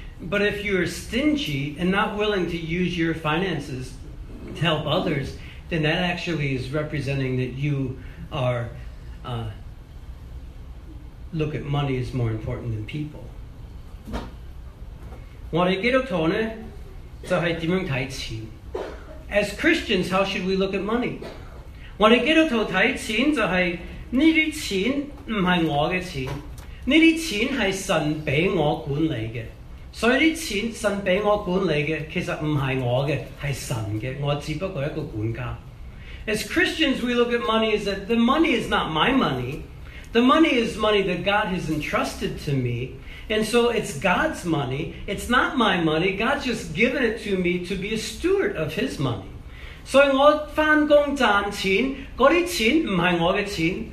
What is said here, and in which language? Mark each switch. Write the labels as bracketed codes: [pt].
[en] But if you are stingy and not willing to use your finances to help others, then that actually is representing that you are look at money as more important than people. [zh] 我们基督徒呢,就是怎样看钱? [en] As Christians, how should we look at money? [zh] 我们基督徒看钱就是,这些钱不是我的钱,这些钱是神给我管理的。所以这些钱神给我管理的,其实不是我的,是神的,我只不过是一个管家。 [en] As Christians, we look at money as that the money is not my money. The money is money that God has entrusted to me. And so it's God's money. It's not my money. God's just given it to me to be a steward of His money. So I work for God's money. That money is not my money.